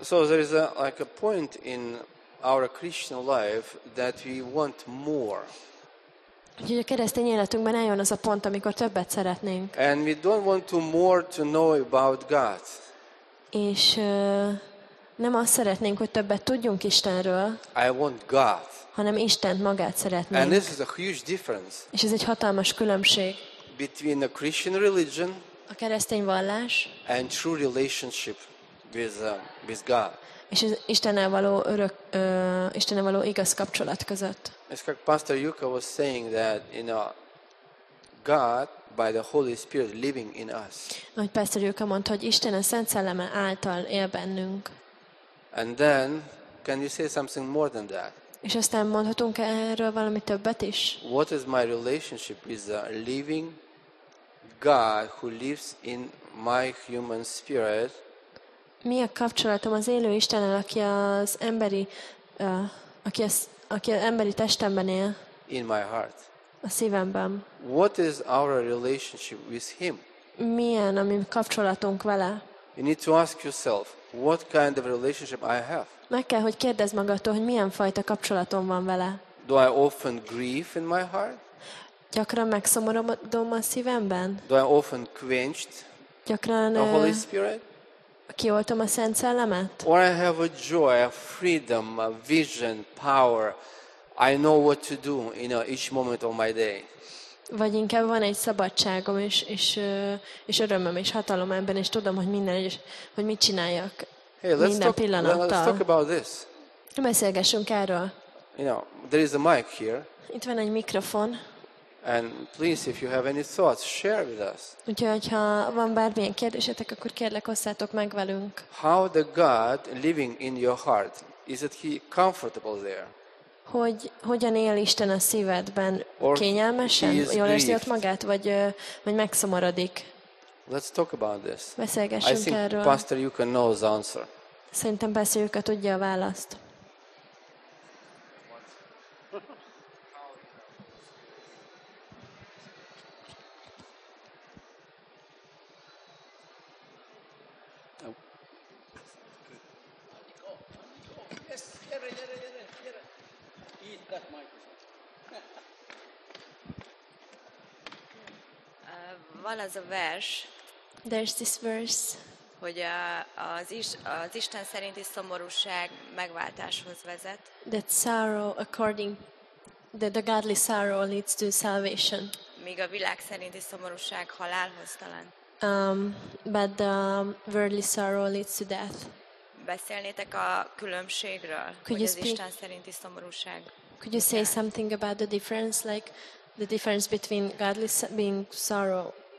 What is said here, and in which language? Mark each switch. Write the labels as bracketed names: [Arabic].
[English] So there is a, like a point in our Christian life that we want more. [Hungarian] Úgyhogy a keresztény életünkben eljön az a pont, amikor többet szeretnénk. [English] And we don't want to more to know about God. [Hungarian] És nem azt szeretnénk, hogy többet tudjunk Istenről. [English] I want God. [Hungarian] Hanem Istent, magát szeretnénk. [English] And this is a huge difference. [Hungarian] És ez egy hatalmas különbség. [English] Between a Christian religion. [Hungarian] A keresztény vallás. [English] And true relationship with God. [Hungarian] És az Istennel való örök, Istennel való igaz kapcsolat között. [English] It's like Pastor Yuka was saying that, you know, God by the Holy Spirit living in us. [Hungarian] Ahogy Pastor Yuka mondta, hogy Isten a Szent Szelleme által él bennünk. [English] And then, can you say something more than that? [Hungarian] És aztán mondhatunk erről valami többet is? [English] What is my relationship with the living God who lives in my human spirit? [Hungarian] Mi a kapcsolatom az élő Istennel, aki az emberi, aki az emberi testemben él? [English] In my heart. [Hungarian] A szívemben. [English] What is our relationship with him? [Hungarian] Milyen a mi kapcsolatunk vele? [English] You need to ask yourself, what kind of relationship I have? [Hungarian] Meg kell, hogy kérdezz magadtól, hogy milyen fajta kapcsolatom van vele. [English] Do I often grieve in my heart? [Hungarian] Gyakran megszomorodom a szívemben? [English] Do I often quenched [Hungarian] gyakran [English] the Holy Spirit? [Hungarian] Kioltom a Szent Szellemet? [English] Or I have a joy, a freedom, a vision, power. I know what to do in each moment of my day. [Hungarian] Vagy inkább van egy szabadságom és örömöm és hatalom ebben, és tudom, hogy minden is, hogy mit csináljak. [English] Hey, let's [Hungarian] minden [English] talk, [Hungarian] pillanattal. [English] Let's talk about this. [Hungarian] Beszélgessünk erről. [English] You know, there is a mic here. [Hungarian] Itt van egy mikrofon. [English] And please, if you have any thoughts, share with us. [Hungarian] Úgyhogy ha van bármilyen kérdésetek, akkor kérlek, osszátok meg velünk. [English] How the God living in your heart, is it he comfortable there? [Hungarian] Hogy hogyan él Isten a szívedben? Kényelmesen, jól érzi ott magát, vagy megszomorodik? [English] Let's talk about this. [Hungarian] Beszélgessünk erről. [English] Pastor Yuka knows the answer. [Hungarian] Szerintem Pastor Yuka tudja a választ. Van az a vers, [English] there's this verse, [Hungarian] hogy az Isten szerinti szomorúság megváltáshoz vezet. [English] That sorrow according, that the godly sorrow leads to salvation. [Hungarian] Míg a világ szerinti szomorúság halálhoz talán. [English] But the worldly sorrow leads to death. [Hungarian] Beszélnétek a különbségről, hogy az Isten szerinti szomorúság. [English] Could you say something about the difference, like the difference between godly being sorrow?